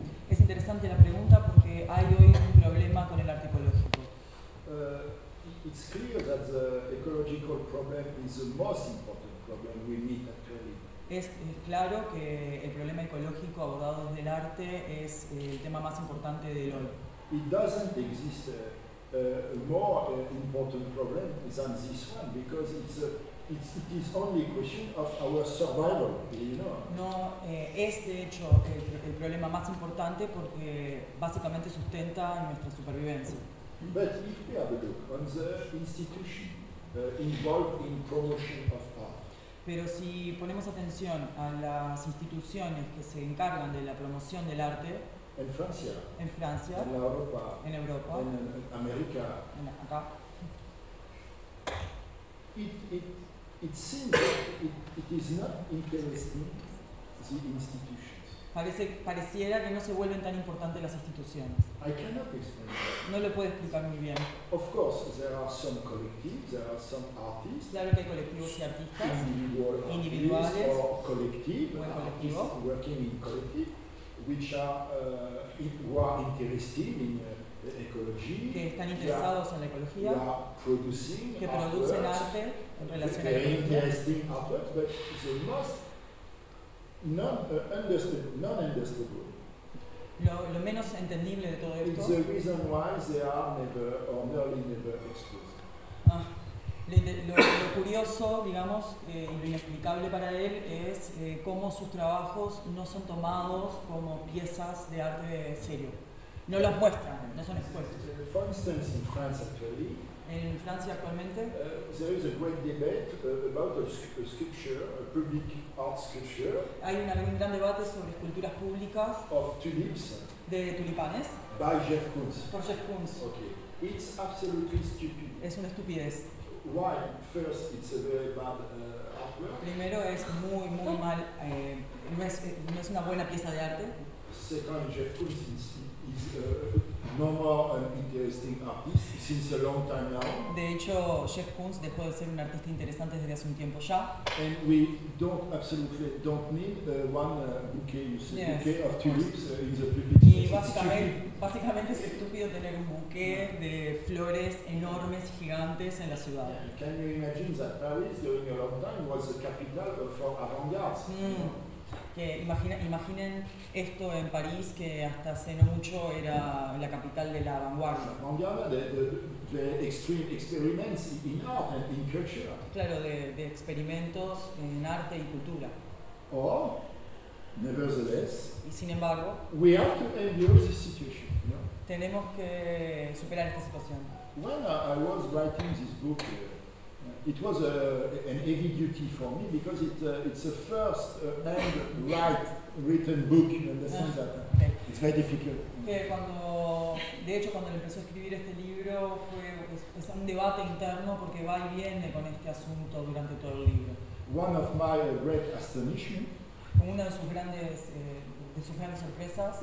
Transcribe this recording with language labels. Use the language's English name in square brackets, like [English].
[Spanish] Es interesante la pregunta porque hay hoy un problema con el arte ecológico. [English] It's clear that the ecological problem is the most important problem we meet actually. [Spanish] Es claro que el problema ecológico abordado desde el arte es el tema más importante del hoy. [English] It doesn't exist a more important problem than this one because it is only a question of our survival, you know. [Spanish] No, es de hecho el problema más importante porque básicamente sustenta nuestra supervivencia. [English] But if we have a look on the institution involved in promotion of art. [Spanish] Pero si ponemos atención a las instituciones que se encargan de la promoción del arte. En Francia. En Francia. En la Europa. En Europa. En América. Acá. [English] It seems that it is not interesting the institution. [Spanish] Pareciera que no se vuelven tan importantes las instituciones. [English] I cannot explain that. [Spanish] No lo puedo explicar muy bien. [English] Of course, there are some collectives, there are some artists. [Spanish] Claro que hay colectivos y artistas individuales [English] or collective, [Spanish] o colectivo, [English] artists working in collective, which are who are interested in ecology, [Spanish] que están interesados en la ecología, [English] producing [Spanish] que producen arte en relación a la [English] ecología. Artworks, but the most non-understandable. [Spanish] Lo menos entendible de todo esto. [English] It's the reason why they are never or nearly never exposed. [Spanish] Lo curioso, digamos, y lo inexplicable para él es cómo sus trabajos no son tomados como piezas de arte serio. No los muestran, no son expuestos. [English] For instance, in France actually, [Spanish] en Francia actualmente, [English] there is a great debate about a sculpture, a public art sculpture. [Spanish] Hay un gran debate sobre esculturas públicas. [English] Of tulips. [Spanish] De tulipanes. [English] By Jeff Koons. [Spanish] Por Jeff Koons. [English] Okay. It's absolutely stupid. [Spanish] Es una estupidez. [English] Why? First, it's a very bad artwork. [Spanish] Primero es muy muy mal, no es una buena pieza de arte. [English] Second, Jeff Koons is no more an interesting artist since a long time now. [Spanish] De hecho, Jeff Koons dejó de ser un artista interesante desde hace un tiempo ya. [English] And we don't absolutely don't need one bouquet, you say, yes, bouquet of tulips in the public. [Spanish] Y básicamente es estúpido tener un bouquet de flores enormes, gigantes en la ciudad. [English] Can you imagine that Paris during a long time was the capital for avant-garde? [Spanish] Que imaginen esto en París, que hasta hace no mucho era la capital de la vanguardia. [English] The extreme experiments in art and in culture. [Spanish] Claro, de experimentos en arte y cultura. [English] Or, nevertheless, [Spanish] y sin embargo, [English] we have to endure this situation, you know? [Spanish] Tenemos que superar esta situación. [English] When I was writing this book, it was an heavy duty for me because it's the first and written book. You understand that? Okay. It's very difficult. [Spanish] Okay, cuando, de hecho, cuando empezó a escribir este libro fue es un debate interno porque va y viene con este asunto durante todo el libro. [English] One of my great astonishment. [Spanish] Una de sus grandes sorpresas.